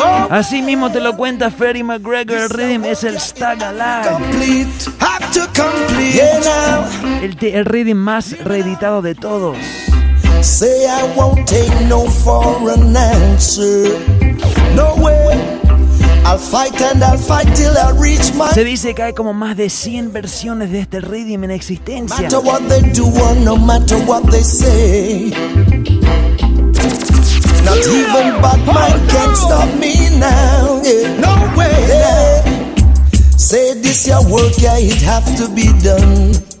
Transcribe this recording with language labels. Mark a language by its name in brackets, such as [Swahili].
[Spanish] Así mismo te lo cuenta Freddie McGregor. El rhythm es el Stagalag. [English] Have to complete. [Spanish] El rhythm más reeditado de todos. [English] Say I won't take no for an answer. No way. I'll fight and I'll fight till I reach my. [Spanish] Se dice que hay como más de 100 versiones de este rhythm en existencia. [English] No matter what they do or no matter what they say. Not even Batman can stop me now. Yeah. No way. Yeah. Say this your work, yeah, it have to be done.